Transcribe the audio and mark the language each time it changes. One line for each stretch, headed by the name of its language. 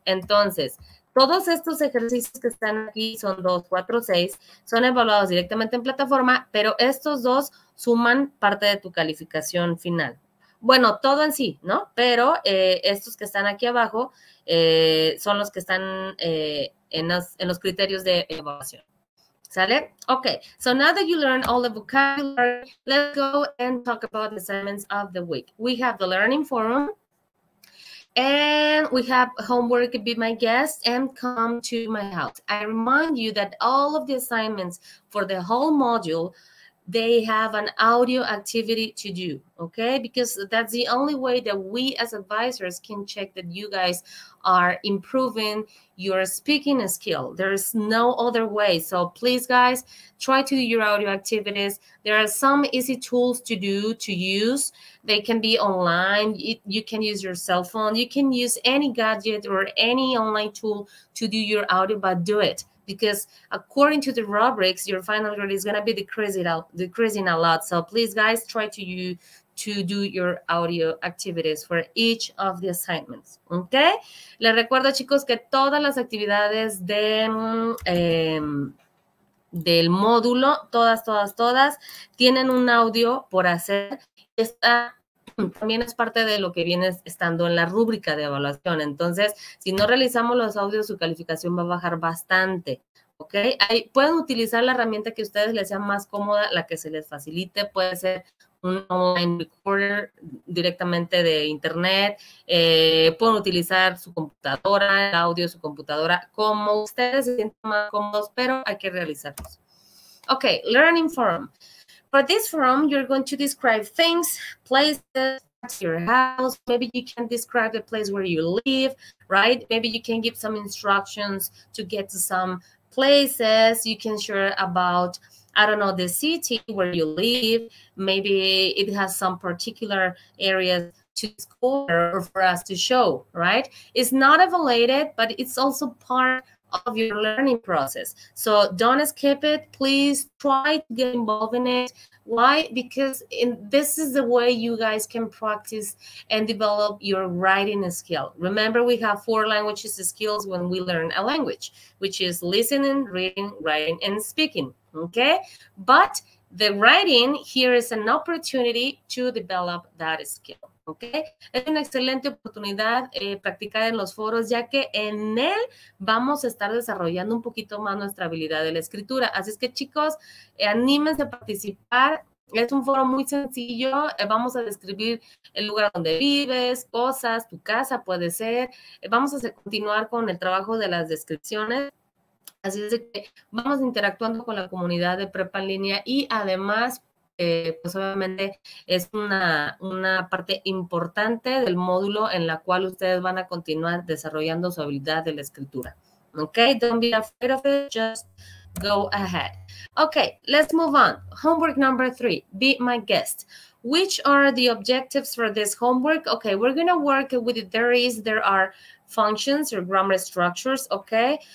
Spanish: Entonces, todos estos ejercicios que están aquí, son 2, 4, 6, son evaluados directamente en plataforma, pero estos dos suman parte de tu calificación final. Bueno, todo en sí, ¿no? Pero estos que están aquí abajo son los que están en los criterios de evaluación. ¿Sale? Ok.
English: So now that you learn all the vocabulary, let's go and talk about the assignments of the week. We have the learning forum. And we have homework, be my guest, and come to my house. I remind you that all of the assignments for the whole module, they have an audio activity to do, okay? Because that's the only way that we as advisors can check that you guys are improving your speaking skill. There is no other way. So please, guys, try to do your audio activities. There are some easy tools to do, to use. They can be online. You can use your cell phone. You can use any gadget or any online tool to do your audio, but do it. Because according to the rubrics, your final grade is going to be decreasing a lot. So please, guys, try to do your audio activities for each of the assignments. Okay?
Spanish: Les recuerdo, chicos, que todas las actividades del módulo, todas, tienen un audio por hacer. Está también es parte de lo que viene estando en la rúbrica de evaluación. Entonces, si no realizamos los audios, su calificación va a bajar bastante. ¿Ok? Ahí pueden utilizar la herramienta que a ustedes les sea más cómoda, la que se les facilite. Puede ser un online recorder directamente de internet. Pueden utilizar su computadora, el audio de su computadora, como ustedes se sientan más cómodos, pero hay que realizarlos.
English: Ok, Learning Forum. For this forum, you're going to describe things, places, your house. Maybe you can describe the place where you live, right? Maybe you can give some instructions to get to some places. You can share about, I don't know, the city where you live. Maybe it has some particular areas to score or for us to show, right? It's not evaluated, but it's also part of your learning process. So don't skip it. Please try to get involved in it. Why? Because this is the way you guys can practice and develop your writing skill. Remember, we have four languages skills when we learn a language, which is listening, reading, writing, and speaking. Okay? But the writing here is an opportunity to develop that skill.
Spanish: ¿Ok? Es una excelente oportunidad practicar en los foros, ya que en él vamos a estar desarrollando un poquito más nuestra habilidad de la escritura. Así es que, chicos, anímense a participar. Es un foro muy sencillo. Vamos a describir el lugar donde vives, cosas, tu casa puede ser. Vamos a continuar con el trabajo de las descripciones. Así es que vamos interactuando con la comunidad de Prepa en Línea y además, pues obviamente es una parte importante del módulo en la cual ustedes van a continuar desarrollando su habilidad de la escritura.
English: Okay, don't be afraid of it, just go ahead. Okay, let's move on. Homework number 3, be my guest. Which are the objectives for this homework? Okay, we're going to work with there are functions or grammar structures, okay?